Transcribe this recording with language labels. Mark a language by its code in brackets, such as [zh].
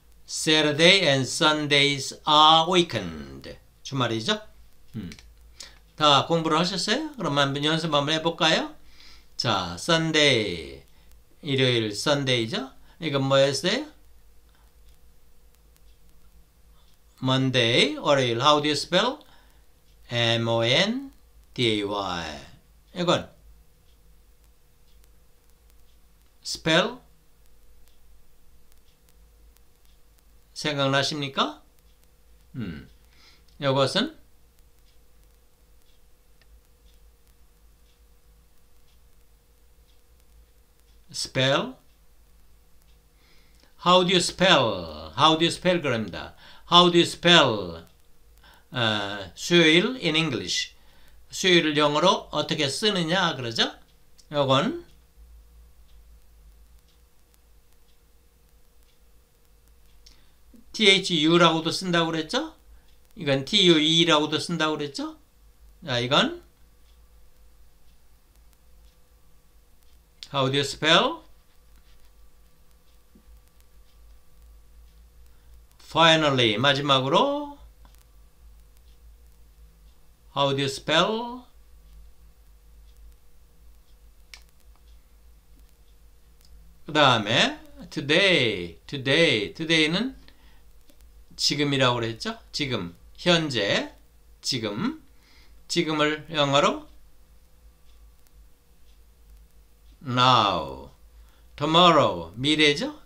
[en] Saturday and Sundays are weekend. [ko] 주말이죠? 다 공부를 하셨어요? 그럼 한번 연습 한번 해볼까요? 자, Sunday. 일요일 Sunday죠? 이건 뭐였어요? [en] Monday, 월요일, how do you spell? M-O-N-D-A-Y. 이건. Spell? [ko] 생각나십니까? 이것은? 스펠? [en] How do you spell? How do you spell? [ko] 그럽니다. [en] How do you spell 수요일 in English? [ko] 수요일을 영어로 어떻게 쓰느냐 그러죠? 요건 THU라고도 쓴다고 그랬죠? 이건 TUE라고도 쓴다고 그랬죠? 자, 이건 [en] How do you spell? Finally, 마지막으로, how do you spell? [ko] 그 다음에, today는 지금이라고 그랬죠? 지금, 현재, 지금, 지금을 영어로 now, tomorrow, 미래죠?